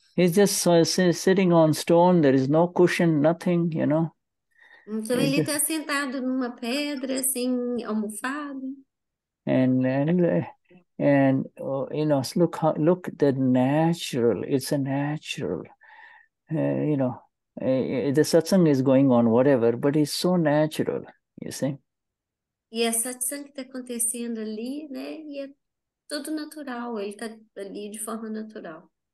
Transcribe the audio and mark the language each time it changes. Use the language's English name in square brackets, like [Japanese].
[English] He's just sitting on stone, there is no cushion, nothing, you know. [Portuguese] Então ele tá sentado numa pedra assim, almofado. [English] And you know, look the natural, it's a natural, you know. The satsang is going on, whatever, but it's so natural, you see. [Portuguese] E a satsang que está acontecendo ali, né? E é tudo natural, ele está ali de forma natural.